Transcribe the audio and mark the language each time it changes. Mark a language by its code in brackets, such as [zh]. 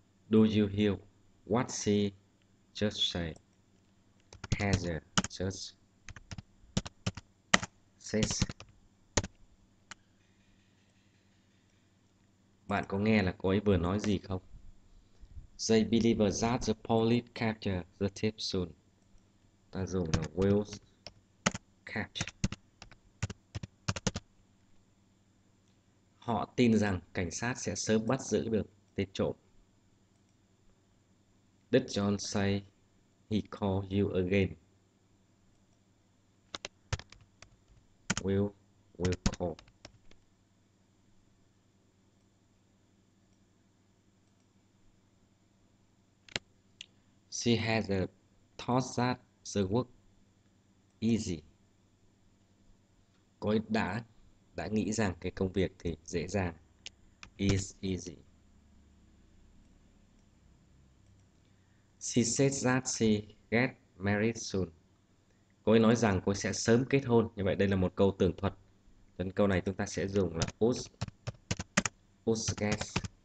[en] Do you hear what she just said? Has it just says. [vi] Bạn có nghe là cô ấy vừa nói gì không? [en] They believe that the police capture the tip soon. [vi] Ta dùng là will catch. Họ tin rằng cảnh sát sẽ sớm bắt giữ được tên trộm. [en] Did John say he call you again? Will call. She has a thought that the work easy. [vi] Cô ấy đã nghĩ rằng cái công việc thì dễ dàng. Is easy. [en] She said that she get married soon. [vi] Cô ấy nói rằng cô sẽ sớm kết hôn. Như vậy đây là một câu tường thuật. Nên câu này chúng ta sẽ dùng là us guess.